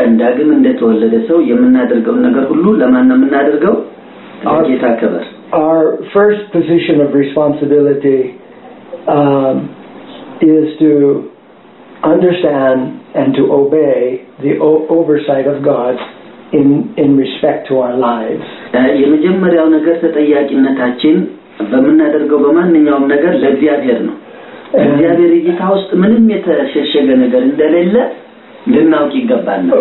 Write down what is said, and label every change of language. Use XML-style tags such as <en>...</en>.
<am>ዳግም እንደተወለደ ሰው የምናደርገው ነገር ሁሉ ለማን እናደርገው? ለጌታ ክብር.</am> <en>Our first position of responsibility is to understand and to obey the oversight of God in respect to our lives.</en> <am>የመጀመሪያው ነገር ተጠያቂነታችን በመናደርገው በማንኛውም ነገር ለእግዚአብሔር ነው. እግዚአብሔር እይታ ውስጥ ምንም የተሸሸገ ነገር እንደሌለ ልናውቅ ይገባል.</am>